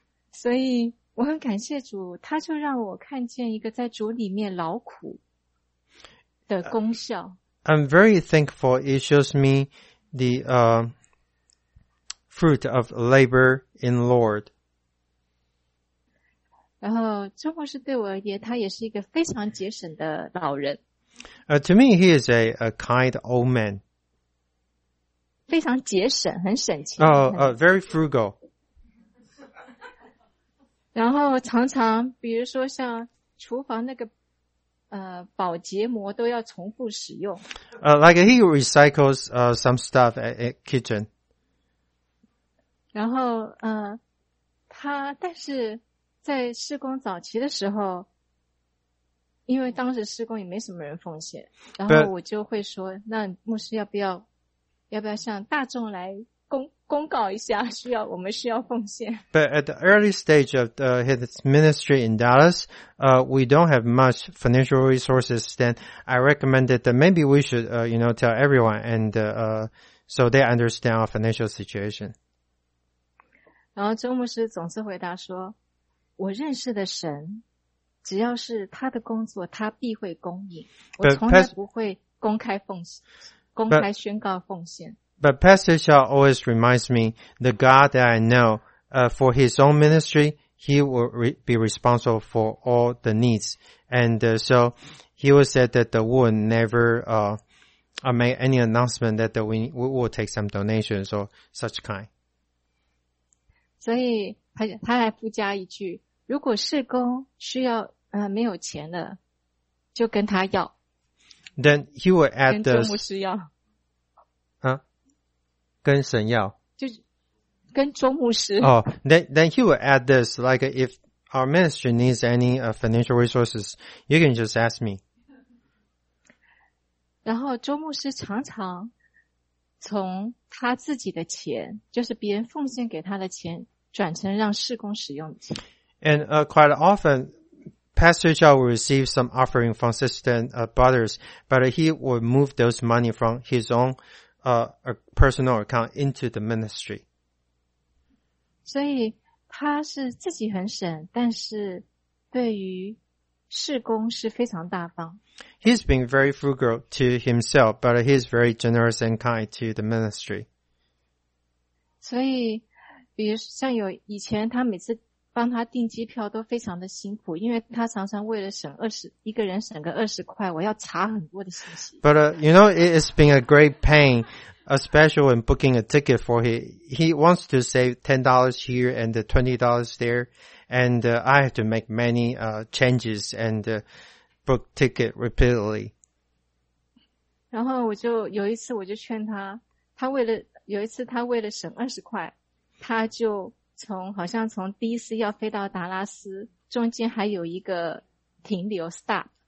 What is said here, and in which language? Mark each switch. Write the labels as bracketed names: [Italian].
[Chinese] 所以我很感谢主，他就让我看见一个在主里面劳苦的功效。 [English] I'm very thankful. It shows me the fruit of labor in Lord. [Chinese] 然后周牧师对我而言，他也是一个非常节省的老人。 [English] To me, he is a kind old man. [Chinese] 非常节省，很省钱。 [English] Very frugal. [Chinese] 然后常常，比如说像厨房那个保洁膜都要重复使用。 [English] Like he recycles some stuff at kitchen. [Chinese] 然后他但是在施工早期的时候，因为当时施工也没什么人奉献，然后我就会说，那牧师要不要向大众来公告一下，我们需要奉献。 [English] But at the early stage of his ministry in Dallas, we don't have much financial resources. Then I recommended that maybe we should, tell everyone and so they understand our financial situation. [Chinese] 然后周牧师总是回答说，我认识的神，只要是他的工作，他必会供应。我从来不会公开奉献，公开宣告奉献。 [English] But Pastor Shaw always reminds me, the God that I know, for his own ministry, he will be responsible for all the needs. And so he will say that the world never make any announcement that we will take some donations or such kind. [Chinese] 所以他还附加一句，如果事工需要没有钱了，就跟他要。 [English] Then he will add the... [Chinese] 跟周牧师要。跟神要，就是跟周牧师。 [English] 哦、then he will add this, like if our ministry needs any financial resources, you can just ask me. [Chinese] 然后周牧师常常从他自己的钱，就是别人奉献给他的钱，转成让事工使用的钱。 [English] And quite often, Pastor Shaw will receive some offering from sisters and brothers, but he will move those money from his own a personal account into the ministry. [Chinese] 所以他是自己很省，但是对于事工是非常大方。 [English] He's been very frugal to himself, but he's very generous and kind to the ministry. [Chinese] 所以比如像有以前他每次帮他订机票都非常的辛苦，因为他常常为了省一个人省个20块，我要查很多的信息。 [English] But you know, it's been a great pain, especially when booking a ticket for him. He wants to save $10 here and $20 there, and I have to make many changes and book ticket repeatedly. [Chinese] 然后我就有一次我就劝他，他为了有一次他为了省20块，他就从好像从第一次要飞到达拉斯，中间还有一个停留 stop.